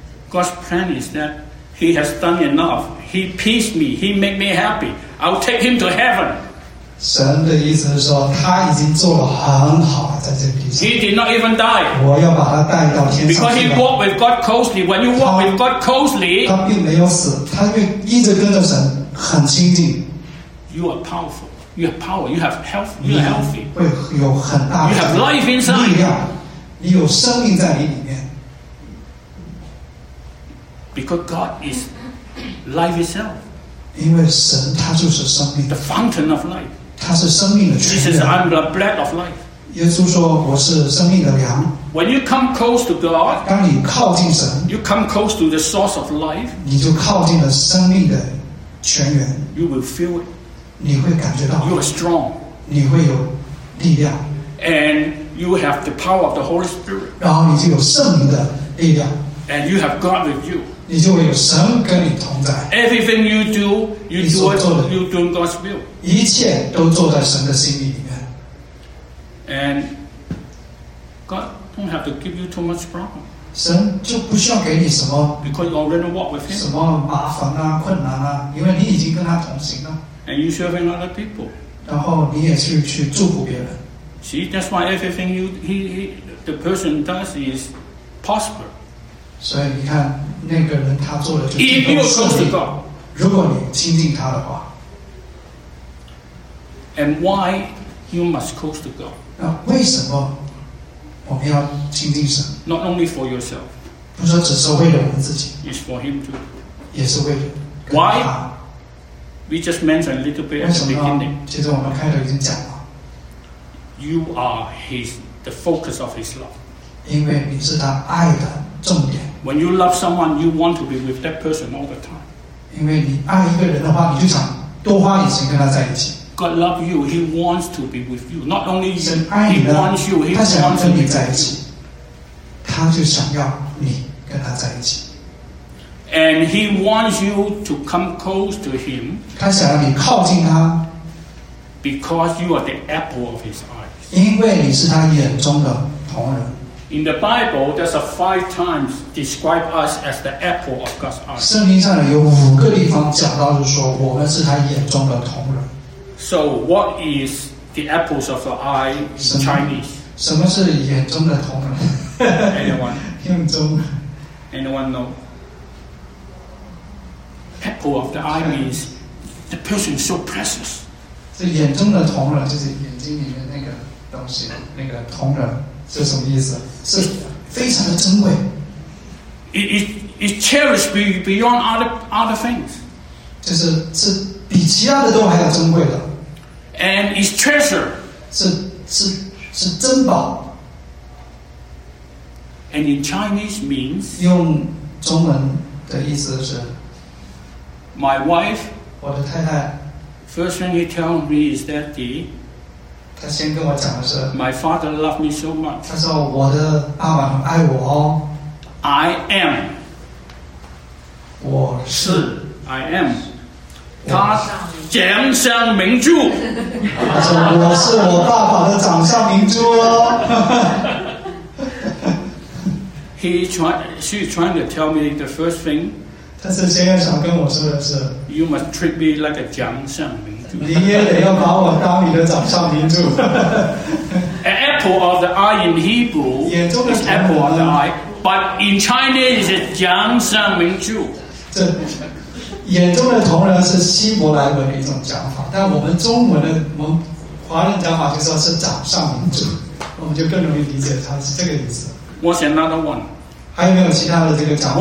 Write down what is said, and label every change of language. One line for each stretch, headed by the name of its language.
English: ？God's plan is that he has done enough. He pleased me. He made me happy. I'll take him to heaven.
Chinese: 神的意思是说，他已经做了很好在这地上。
English: He did not even die.
Chinese: 我要把他带到天上去。
English: Because he walked with God closely. When you walk with God closely，
Chinese: 他并没有死，他一直跟着神，很亲近。
English: You are powerful. You have power. You have health. You are healthy.
Chinese: 会有很大的。
English: You have life inside.
Chinese: 力量，你有生命在你里面。
English: Because God is life itself.
Chinese: 因为神他就是生命。
English: The fountain of life.
Chinese: 他是生命的泉源。
English: He says, "I'm the bread of life."
Chinese: 耶稣说我是生命的粮。
English: When you come close to God,
Chinese: 当你靠近神
English: ，you come close to the source of life.
Chinese: 你就靠近了生命的泉源。
English: You will feel it.
Chinese: 你会感觉到
English: you are strong,
Chinese: 你会有力量
English: and you have the power of the Holy Spirit,
Chinese: 然后你就有圣灵的力量
English: and you have God with you,
Chinese: 你就会有神跟你同在
English: everything you do, you do it, you do God's will,
Chinese: 一切都做在神的心里面
English: and God don't have to give you too much problem,
Chinese: 神就不需要给你什么
English: because you already walk with him,
Chinese: 什么麻烦啊困难啊因为你已经跟他同行了
English: And you serving other people.
Chinese: 然后你也去祝福别人。
English: See, that's why everything the person does is prosper.
Chinese: 所以你看那个人他做的就
English: 是。If you close to God,
Chinese: 如果你亲近他的话。
English: And why you must close to God?
Chinese: 那为什么我们要亲近神
English: ？Not only for yourself.
Chinese: 不是只是为了我们自己。
English: It's for Him too.
Chinese: 也是为了。
English: Why? We just mentioned a little bit at the beginning.
Chinese: 其实我们开头已经讲了。
English: You are the focus of His love.
Chinese: 因为你是他爱的重点。
English: When you love someone, you want to be with that person all the time.
Chinese: 因为你爱一个人的话，你就想多花点时间跟他在一起。
English: God loves you. He wants to be with you. Not only you,
Chinese: 神爱你呢，
English: He wants you.
Chinese: 他想要跟你在一起，他就想要你跟他在一起。
English: And He wants you to come close to Him.
Chinese: 他想要你靠近他。
English: Because you are the apple of His eyes.
Chinese: 因为你是他眼中的瞳仁。
English: In the Bible, there's a 5 times describe us as the apple of God's eye.
Chinese: 圣经上有五个地方讲到，就是说我们是他眼中的瞳仁。
English: So what is the apples of the eye in Chinese?
Chinese: 什么是眼中的瞳仁？
English: Anyone?
Chinese: 眼中。
English: Anyone know? Apple of the eye means the person is so precious.
Chinese: 这眼中的瞳仁就是眼睛里面那个东西，那个瞳仁。是什么意思？是非常的珍贵。
English: It cherished beyond other things.
Chinese: 就是是比其他的都还要珍贵的。
English: And it's treasure.
Chinese: 是珍宝。
English: And in Chinese means
Chinese: 用中文的意思是
English: My wife.
Chinese: 我的太太。
English: First thing he tell me is that the
Chinese: 他先跟我讲的是
English: My father loved me so much.
Chinese: 他说我的阿爸很爱我哦。
English: I am.
Chinese: 我是。
English: I am.
Chinese: 他掌上明珠。他说我是我爸爸的掌上明珠哦。
English: She's trying to tell me the first thing.
Chinese: 他是先要想跟我说的是
English: You must treat me like a 掌上明珠。
Chinese: 你也得要把我当你的掌上明珠。
English: An apple of the eye in Hebrew is apple of the eye, but in Chinese it's 掌上明珠。
Chinese: 这眼中的瞳仁是希伯来文的一种讲法，但我们中文的我们华人讲法就说是掌上明珠，我们就更容易理解它是这个意思。
English: What's another one?
Chinese: 还有没有其他的这个讲法